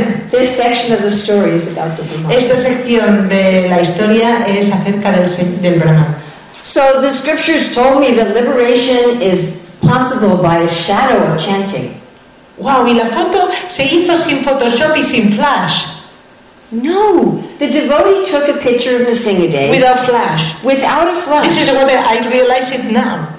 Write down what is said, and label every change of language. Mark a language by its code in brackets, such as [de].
[en] This section of the story is about the Brahman. [es] Esta sección de la historia es acerca del Brahman. [en] So the scriptures told me that liberation is possible by a shadow of chanting. [es] Wow, y la foto se hizo sin Photoshop y sin flash. [en] No, the devotee took a picture of Nrisingadev. Without flash. Without a flash. This is what I realize it now.